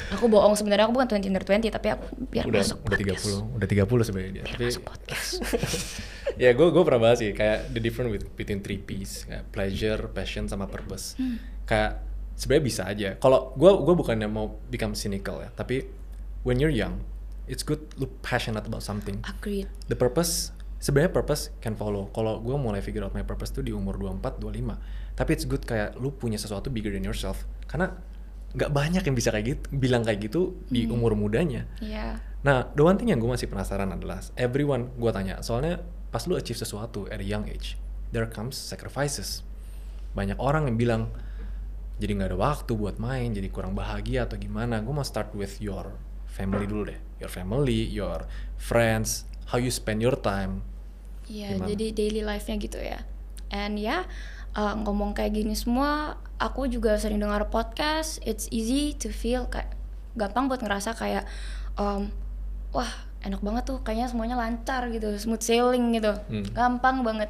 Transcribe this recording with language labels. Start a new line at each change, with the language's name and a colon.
Indonesian: Aku bohong, sebenarnya aku bukan 20-under-20, tapi aku biar udah, masuk udah podcast. 30, udah 30 sebenarnya dia. Biar tapi, masuk podcast. Ya, gue pernah bahas sih, kayak
English: the difference between three P's.
Indonesian: Kayak pleasure, passion, sama purpose. Kayak, sebenarnya bisa aja. Kalau gue bukannya mau
English: become cynical ya, tapi when you're young, it's good lu passionate about something. Agreed. The purpose, sebenarnya purpose can follow.
Indonesian: Kalau gue mulai
English: figure out my purpose tuh di umur 24-25.
Indonesian: Tapi it's good kayak lu punya sesuatu
English: bigger than yourself.
Indonesian: Karena gak banyak yang bisa kayak gitu, bilang kayak gitu di umur mudanya.
English: Nah, the one thing
Indonesian: yang gue masih penasaran adalah
English: everyone gue tanya, soalnya pas lu achieve sesuatu at a young age, there comes sacrifices.
Indonesian: Banyak orang yang bilang jadi gak ada waktu buat main, jadi kurang bahagia atau gimana. Gue mau
English: start with your family
Indonesian: dulu deh.
English: Your family, your friends, how you spend your time.
Indonesian: Iya, jadi daily life-nya gitu ya. And ngomong kayak gini semua, aku juga sering dengar podcast.
English: It's easy to feel,
Indonesian: gampang buat ngerasa kayak wah, enak banget tuh, kayaknya semuanya lancar gitu,
English: smooth sailing
Indonesian: gitu. Gampang banget.